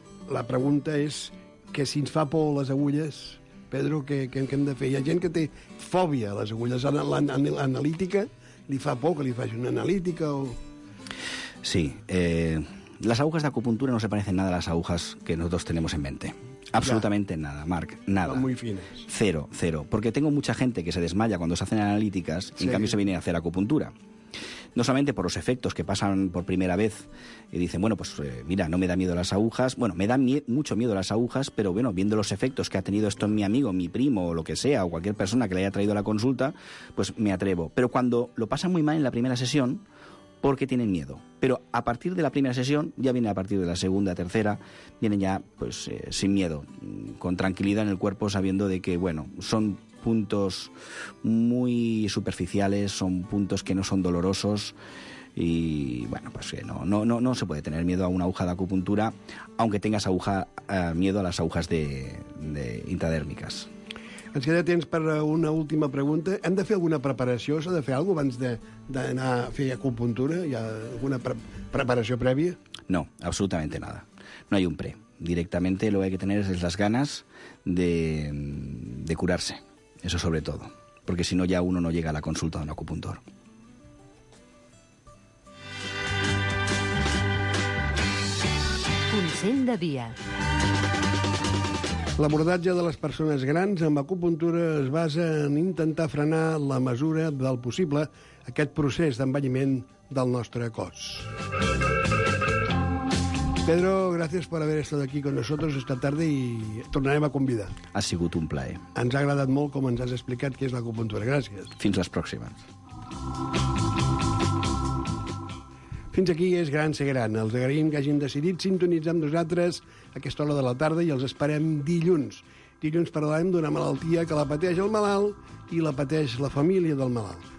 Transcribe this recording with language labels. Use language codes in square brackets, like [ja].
[ca] La pregunta és que si ens fa por les agulles, Pedro, què hem de fer? Hi ha gent que té fòbia a les agulles, a l'analítica, li fa por que li faci una analítica o... Sí, les agulles d'acupuntura [es] no se parecen nada [ca] a les agulles que nosaltres tenim en mente. [es] Absolutamente ya. Nada, Marc, nada. Muy fines. Cero, cero. Porque tengo mucha gente que se desmaya cuando se hacen analíticas y en cambio se viene a hacer acupuntura. No solamente por los efectos que pasan por primera vez y dicen, bueno, pues mira, no me da miedo las agujas. Bueno, me da mucho miedo las agujas, pero bueno, viendo los efectos que ha tenido esto en mi amigo, mi primo o lo que sea, o cualquier persona que le haya traído a la consulta, pues me atrevo. Pero cuando lo pasan muy mal en la primera sesión, porque tienen miedo. Pero a partir de la primera sesión, ya viene a partir de la segunda, tercera, vienen ya pues sin miedo, con tranquilidad en el cuerpo, sabiendo de que, bueno, son puntos muy superficiales, son puntos que no son dolorosos y, bueno, pues que no se puede tener miedo a una aguja de acupuntura, aunque tengas miedo a las agujas de intradérmicas. [ca] Ens queda temps per una última pregunta. Hem de fer alguna preparació? S'ha de fer alguna cosa abans d'anar a fer acupuntura? Hi ha alguna preparació prèvia? [es] No, absolutamente nada. No hay un pre. Directamente lo que hay que tener es las ganas de curarse. Eso sobre todo. Porque si no, ya uno no llega a la consulta de un acupuntor. [ca] Consell de dia. L'abordatge de les persones grans amb acupuntura es basa en intentar frenar la mesura del possible aquest procés d'envelliment del nostre cos. [es] Pedro, gracias por haber estado aquí con nosotros esta tarde y [ca] tornarem a convidar. Ha sigut un plaer. Ens ha agradat molt com ens has explicat què és l'acupuntura. Gràcies. Fins les pròximes. Fins aquí és gran ser gran. Els agraïm que hagin decidit sintonitzar amb nosaltres aquesta hora de la tarda i els esperem dilluns. Dilluns parlarem d'una malaltia que la pateix el malalt i la pateix la família del malalt.